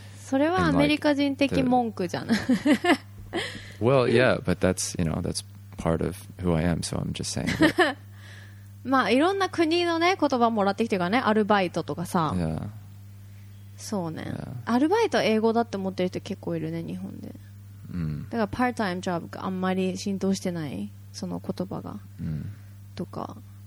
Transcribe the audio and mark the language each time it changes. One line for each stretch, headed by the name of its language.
Japanese: それはアメリカ人的文句じゃない
English: 。 Well, yeah, but that's you know that's. Part of who I am, so I'm just saying.
Japanese: まあいろんな国のね言葉もらってきてるからね、アルバイトとかさ。
English: Yeah.
Japanese: そうね。
English: Yeah.
Japanese: アルバイト英語だって思ってる人結構いるね、日本で。 Mm. だからパートタイムジョブがあんまり浸透してないその言葉が、 mm. とか。